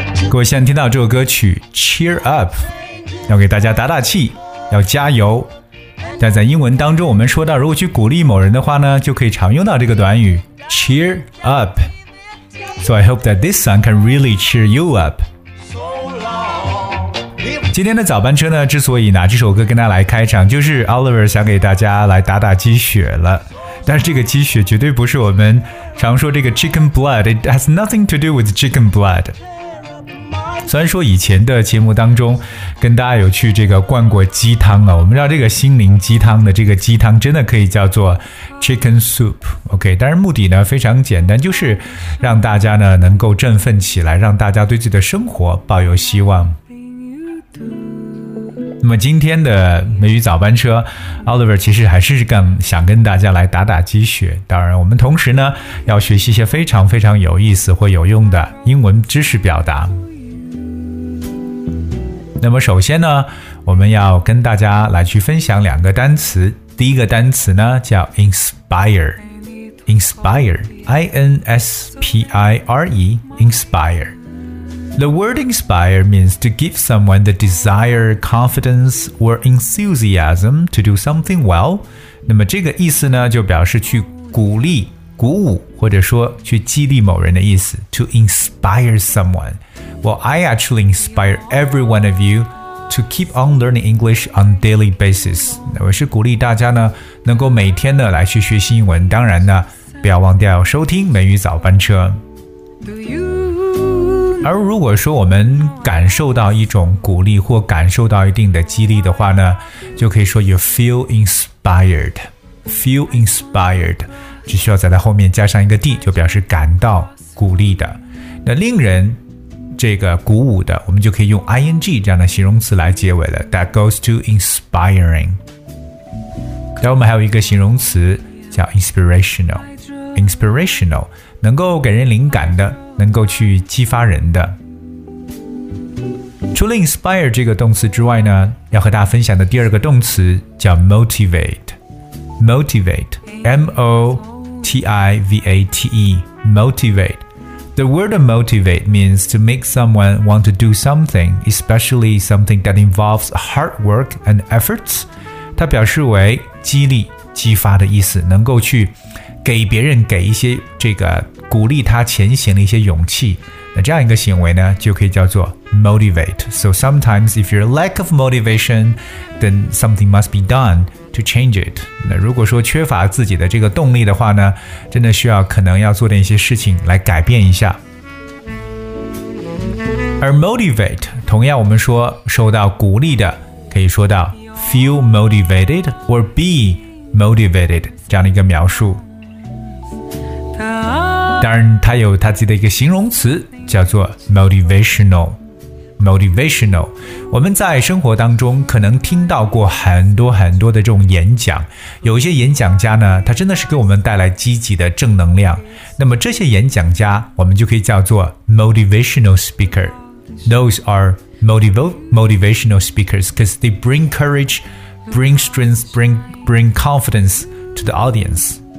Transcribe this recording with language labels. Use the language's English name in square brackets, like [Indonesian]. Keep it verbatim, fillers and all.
[Chinese] 各位现在听到这首歌曲 Cheer Up， 要给大家打打气，要加油。但在英文当中我们说到，如果去鼓励某人的话呢，就可以常用到这个短语 Cheer Up. [English] So I hope that this song can really cheer you up. [Chinese] 今天的早班车呢，之所以拿这首歌跟大家来开场，就是 Oliver 想给大家来打打鸡血了。但是这个鸡血绝对不是我们常说这个 chicken blood， [English] it has nothing to do with chicken blood。 [Chinese] 虽然说以前的节目当中跟大家有去这个灌过鸡汤了，我们知道这个心灵鸡汤的这个鸡汤真的可以叫做 chicken soup。 OK， 但是目的呢非常简单，就是让大家呢能够振奋起来，让大家对自己的生活抱有希望。那么今天的美语早班车 Oliver 其实还是更想跟大家来打打鸡血，当然我们同时呢要学习一些非常非常有意思或有用的英文知识表达。那么首先呢我们要跟大家来去分享两个单词。第一个单词呢叫 inspire inspire I N S P I R E inspire。 [English] The word inspire means to give someone the desire, confidence, or enthusiasm to do something well. [Chinese] 那么这个意思呢，就表示去鼓励、鼓舞，或者说去激励某人的意思。 [English] To inspire someone. Well, I actually inspire every one of you to keep on learning English on daily basis. [Chinese] 我是鼓励大家呢，能够每天呢来去学习英文。当然呢，不要忘掉收听美语早班车。而如果说我们感受到一种鼓励或感受到一定的激励的话呢，就可以说 [English] you feel inspired feel inspired [Chinese] 只需要在它后面加上一个 d 就表示感到鼓励的。那令人这个鼓舞的我们就可以用 ing 这样的形容词来结尾了。 [English] That goes to inspiring。 [Chinese] 然后我们还有一个形容词叫 inspirational inspirational 能够给人灵感的，能够去激发人的。除了 inspire 这个动词之外呢，要和大家分享的第二个动词叫 motivate motivate M O T I V A T E motivate. [English] The word motivate means to make someone want to do something, especially something that involves hard work and efforts. [Chinese] 它表示为激励、激发的意思，能够去给别人给一些这个鼓励他前行的一些勇气，那这样一个行为呢就可以叫做 motivate. [English] So sometimes if you're lack of motivation, then something must be done to change it. [Chinese] 那如果说缺乏自己的这个动力的话呢，真的需要可能要做点一些事情来改变一下。而 motivate 同样我们说受到鼓励的可以说到 [English] feel motivated or be motivated [Chinese] 这样的一个描述。当然它有它自己的一个形容词叫做 motivational motivational。我们在生活当中可能听到过很多很多的这种演讲，有一些演讲家呢他真的是给我们带来积极的正能量，那么这些演讲家我们就可以叫做 motivational speaker. [English] Those are motiv- motivational speakers because they bring courage, bring strength, bring, bring confidence to the audience.